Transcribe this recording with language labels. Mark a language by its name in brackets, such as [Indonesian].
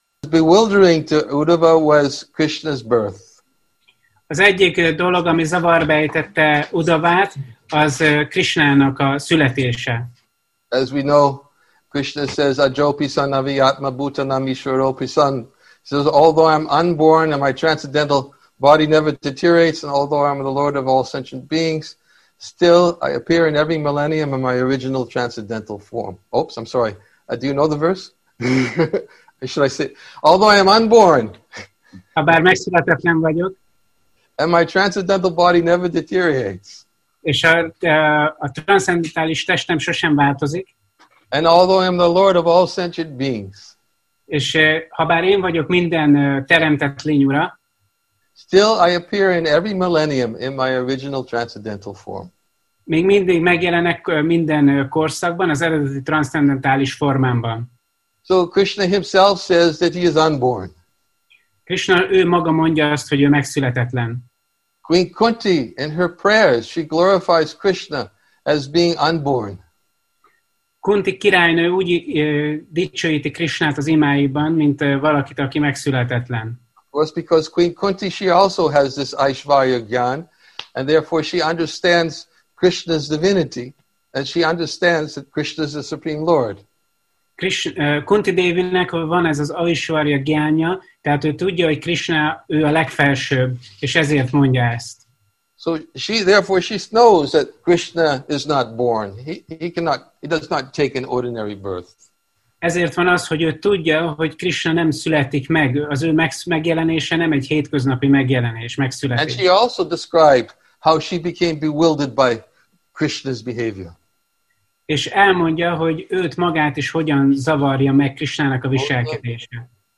[English] Bewildering to Uddhava was Krishna's birth. [Hungarian] Az egyik dolog, ami zavarba ejtette Uddhavát, az Krishnának a születése. [English] As we know, Krishna says, [Sanskrit] Ajopisan aviyatma bhutanam ishwaropisan. [English] He says, although I'm unborn and my transcendental body never deteriorates, and although I'm the Lord of all sentient beings, still I appear in every millennium in my original transcendental form. Oops, I'm sorry. Do you know the verse? Should I say, although I am unborn, [Hungarian] habár megszületetlen vagyok, [English] and my transcendental body never deteriorates, [Hungarian] és a transzendentális testem sosem változik, [English] and although I am the Lord of all sentient beings, [Hungarian] és habár én vagyok minden teremtett lény ura, [English] still I appear in every millennium in my original transcendental form. [Hungarian] Még mindig megjelenek minden korszakban az eredeti transzcendentális formámban. [English] So Krishna himself says that he is unborn. [Hungarian] Krishna ő maga mondja azt, hogy ő megszületetlen. [English] Queen Kunti, in her prayers, she glorifies Krishna as being unborn. [Hungarian] Kunti királynő úgy dicsőíti Krishnát az imáiban, mint valakit, aki megszületetlen. [English] Was because Queen Kunti, she also has this Aishvarya Gyan, and therefore she understands Krishna's divinity, and she understands that Krishna is the Supreme Lord. [Hungarian] Kunti Dévinek van ez az Aishvarya Gyánja, tehát ő tudja, hogy Krishna ő a legfelsőbb, és ezért mondja ezt. [English] So she therefore she knows that Krishna is not born. He does not take an ordinary birth. [Hungarian] Ezért van az, hogy ő tudja, hogy Krishna nem születik meg, az ő megjelenése nem egy hétköznapi megjelenés, megszületés. [English] And she also described how she became bewildered by Krishna's behavior. [Hungarian] És elmondja, hogy őt magát is hogyan zavarja meg Krishnának a viselkedése.